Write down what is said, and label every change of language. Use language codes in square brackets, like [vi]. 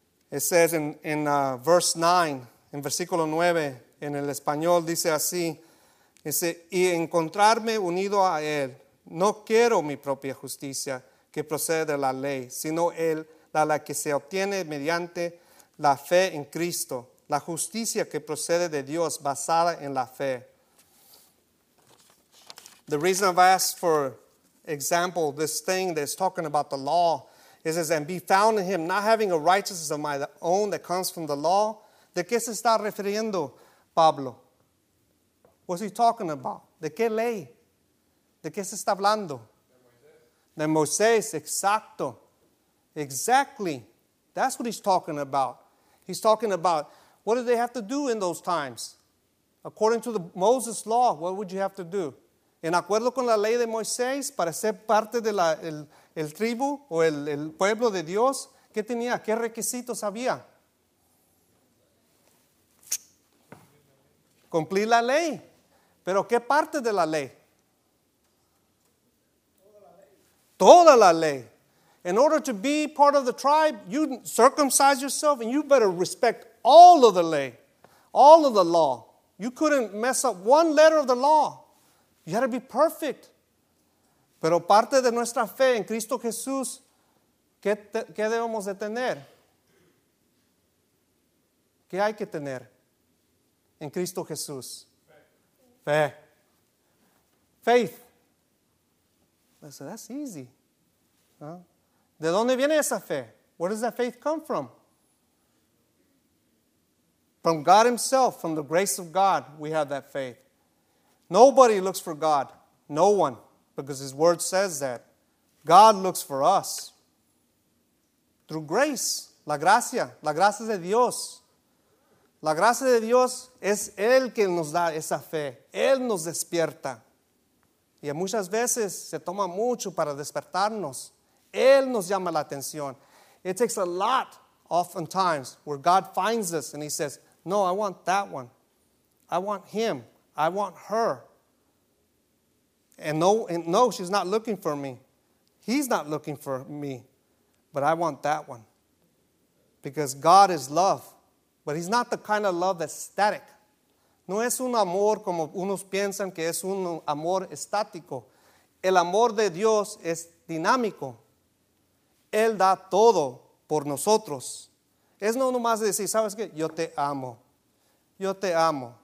[en] It says in verse 9, [es] en versículo 9, en el español dice así, dice, y encontrarme unido a él, no quiero mi propia justicia que procede de la ley, sino él, la que se obtiene mediante la fe en Cristo, la justicia que procede de Dios basada en la fe. [en] The reason I've asked for example, this thing that's talking about the law, it says, and be found in him, not having a righteousness of my own that comes from the law. [es] ¿De qué se está refiriendo, Pablo? [en] What's he talking about? [es] ¿De qué ley? ¿De qué se está hablando? De Moisés. De Moisés, exacto. [en] Exactly. That's what he's talking about. He's talking about, what did they have to do in those times? According to the Moses law, what would you have to do? [es] En acuerdo con la ley de Moisés, para ser parte de la el tribu o el pueblo de Dios, ¿qué tenía? ¿Qué requisitos había? Cumplir la ley. ¿Pero qué parte de la ley? Toda la ley. [en] In order to be part of the tribe, you circumcise yourself and you better respect all of the ley, all of the law. You couldn't mess up one letter of the law. You had to be perfect. [es] Pero parte de nuestra fe en Cristo Jesús, ¿qué debemos de tener? ¿Qué hay que tener en Cristo Jesús? Fe. [en] Faith. I said, that's easy. [es] ¿No? ¿De dónde viene esa fe? [en] Where does that faith come from? From God himself, from the grace of God, we have that faith. Nobody looks for God. No one. Because his word says that. God looks for us. Through grace. [es] La gracia. La gracia de Dios. La gracia de Dios es Él que nos da esa fe. Él nos despierta. Y muchas veces se toma mucho para despertarnos. Él nos llama la atención. [en] It takes a lot oftentimes where God finds us and he says, no, I want that one. I want him. I want her. And no, she's not looking for me. He's not looking for me. But I want that one. Because God is love. But he's not the kind of love that's static. [es] No es un amor como unos piensan que es un amor estático. El amor de Dios es dinámico. Él da todo por nosotros. Es no nomás decir, ¿sabes qué? Yo te amo. Yo te amo.